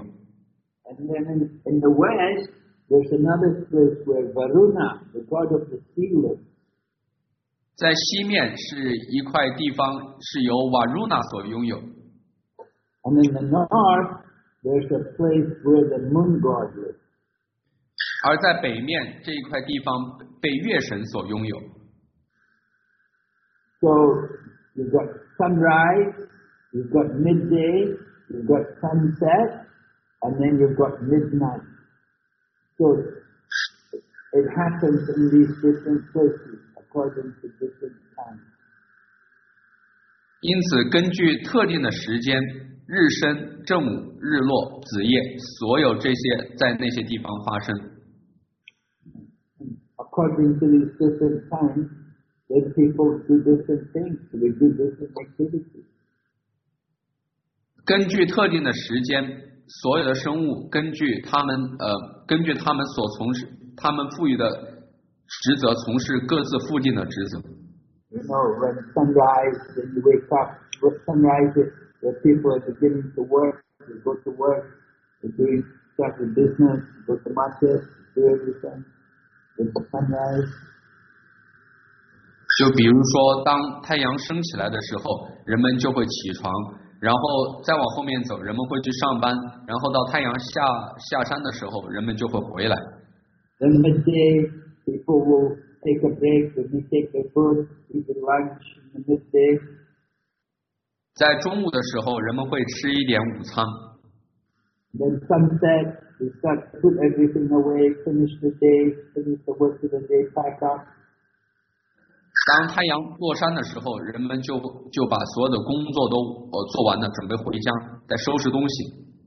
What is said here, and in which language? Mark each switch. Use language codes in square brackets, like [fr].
[en] And then in the west, there's another place where Varuna, the god of the sea, lives. [zh] 在西面是一块地方是由 Varuna 所拥有。 [en] And in the north, there's a place where the moon god lives. [zh] 而在北面这一块地方被月神所拥有。 [en] So you've got sunrise, you've got midday, you've got sunset, and then you've got midnight. So it happens in these different places according to different times. [zh] 因此，根据特定的时间，日升、正午、日落、子夜，所有这些在那些地方发生。 [en] According to these different times. Then people do different things, they do different activities. [zh] 根据特定的时间，所有的生物根据他们根据他们所从事他们赋予的职责，从事各自附近的职责。 [en] You know, when sunrise, then you wake up. When sunrise, the people are beginning to work. They go to work. They do start the business. Go to market. Do everything. When the sunrise. [zh] 就比如说当太阳升起来的时候，人们就会起床，然后再往后面走，人们会去上班，然后到太阳下山的时候，人们就会回来。 [en] Then midday, people will take a break, they may take their food, eat their lunch in the midday. [zh] 在中午的时候，人们会吃一点午餐。 [en] Then sunset, they start to put everything away, finish the day, finish the work of the day, pack up. [zh] 当太阳落山的时候，人们就把所有的工作都做完了，准备回家，再收拾东西。